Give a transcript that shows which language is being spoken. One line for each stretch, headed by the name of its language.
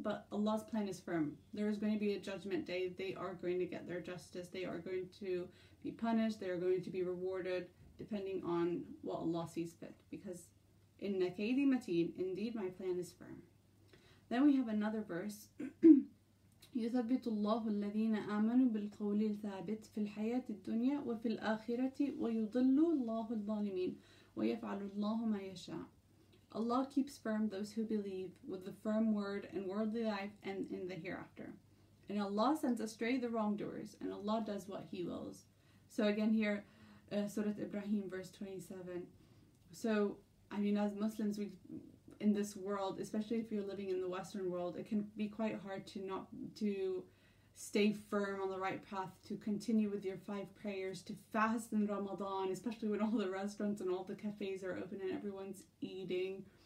English: But Allah's plan is firm. There is going to be a judgment day. They are going to get their justice. They are going to be punished. They are going to be rewarded depending on what Allah sees fit. Because
Arabic: in Naqaydi Mateen,
English: indeed my plan is firm. Then we have another verse.
Arabic: يثبت الله الذين آمنوا بالقول الثابت في الحياة الدنيا وفي الآخرة ويضل الله الظالمين ويفعل الله ما يشاء.
English: Allah keeps firm those who believe with the firm word in worldly life and in the hereafter. And Allah sends astray the wrongdoers, and Allah does what He wills. So again here, Surah Ibrahim verse 27. So, I mean, as Muslims, we, in this world, especially if you're living in the Western world, it can be quite hard to not to stay firm on the right path, to continue with your five prayers, to fast in Ramadan, especially when all the restaurants and all the cafes are open and everyone's eating.